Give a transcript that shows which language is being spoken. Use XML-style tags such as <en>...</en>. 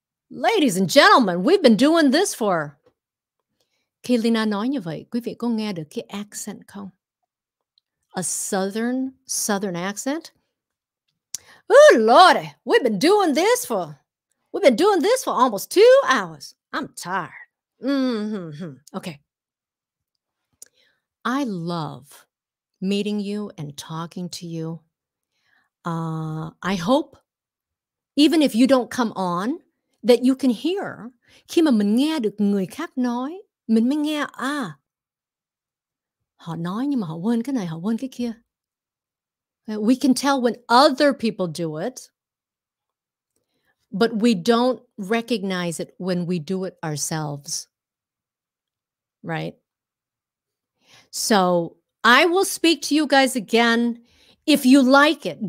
<en>Ladies and gentlemen, we've been doing this for.</en> <vi>Khi Leyna nói như vậy, quý vị có nghe được cái accent không?</vi> <en>A southern accent. Oh Lordy, we've been doing this for almost 2 hours. I'm tired. Okay. I love meeting you and talking to you. I hope, even if you don't come on, that you can hear.</en> <vi>Khi mà mình nghe được người khác nói, mình mới nghe à. Họ nói nhưng mà họ quên cái này, họ quên cái kia.</vi> <en>We can tell when other people do it, but we don't recognize it when we do it ourselves, right? So I will speak to you guys again if you like it.</en>